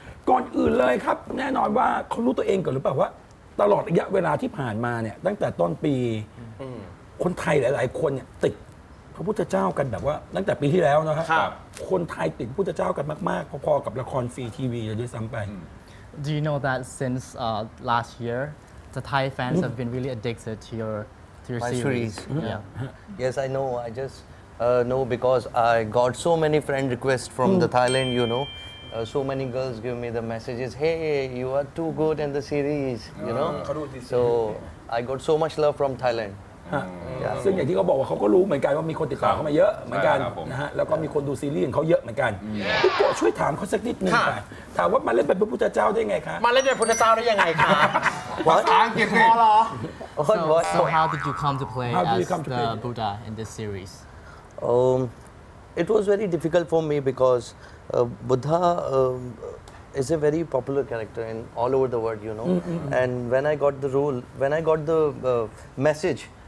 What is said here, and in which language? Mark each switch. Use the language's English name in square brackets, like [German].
[Thai] ก่อนอื่นเลยครับแน่นอนว่าเขารู้ตัวเองก่อนหรือเปล่าว่าตลอดระยะเวลาที่ผ่านมาเนี่ยตั้งแต่ต้นปีคนไทยหลายๆคนเนี่ยติดพระพุทธเจ้ากันแบบว่าตั้งแต่ปีที่แล้วนะ ครับ คนไทยติดพระพุทธเจ้ากันมากๆพอๆกับละครฟรีทีวีเลยด้วยซ้ำไป [English] Do you know that since last year the Thai fans have been really addicted to your series? Yes, I know. I just know because I got so many friend requests from the Thailand. You know, so many girls give me the messages. Hey, you are too good in the series. You know, so I got so much love from Thailand. [Thai] ซึ่งอย่างที่เขาบอกว่าเขาก็รู้เหมือนกันว่ามีคนติดต่อเข้ามาเยอะเหมือนกันนะฮะแล้วก็มีคนดูซีรีส์ของเขาเยอะเหมือนกันพี่โก้ช่วยถามเขาสักนิดนึงค่ะถามว่ามาเล่นเป็นพระพุทธเจ้าได้ไงคะ มาเล่นเป็นพุทธเจ้าได้ยังไงคะ ภาษาอังกฤษ พอเหรอ [English] So how did you come to play as the Buddha in this series? It was very difficult for me because Buddha is a very popular character in all over the world, you know. And when I got the role, when I got the message.